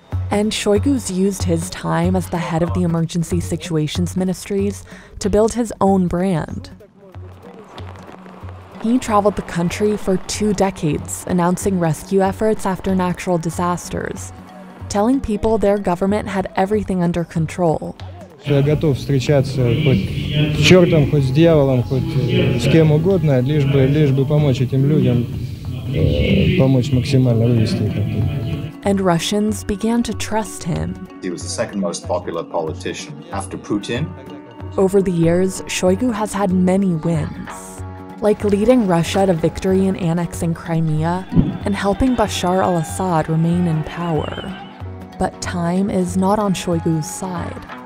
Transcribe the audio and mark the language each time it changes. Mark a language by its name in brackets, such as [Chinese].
[English] And Shoigu's used his time as the head of the emergency situations ministries to build his own brand. He traveled the country for two decades, announcing rescue efforts after natural disasters, telling people their government had everything under control. [Russian] Я готов встречаться хоть с чертом, хоть с дьяволом, хоть с кем угодно, лишь бы помочь этим людям, помочь максимально вывести их оттуда. [English] And Russians began to trust him. He was the second most popular politician after Putin. Over the years, Shoigu has had many wins, like leading Russia to victory in annexing Crimea and helping Bashar al-Assad remain in power. But time is not on Shoigu's side.